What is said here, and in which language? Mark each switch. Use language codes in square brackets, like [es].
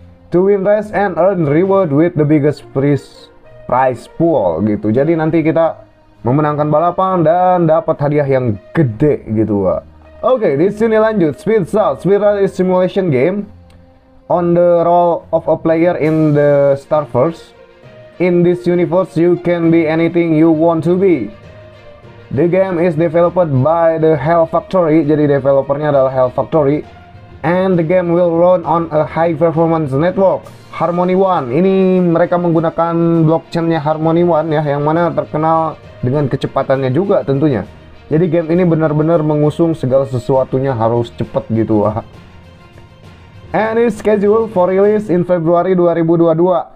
[en] To win race and earn reward with the biggest prize pool gitu. [id] Jadi nanti kita memenangkan balapan dan dapat hadiah yang gede gitu, Wak. Oke, di sini lanjut. Speed Start. [en] Speed Run is simulation game on the role of a player in the Starverse. In this universe, you can be anything you want to be. The game is developed by the Hell Factory. [id] Jadi developernya adalah Hell Factory. [en] And the game will run on a high performance network, Harmony One. [id] Ini mereka menggunakan blockchain-nya Harmony One ya, yang mana terkenal dengan kecepatannya juga tentunya. Jadi game ini benar-benar mengusung segala sesuatunya harus cepat gitu, Wak. [en] And it's scheduled for release in February 2022.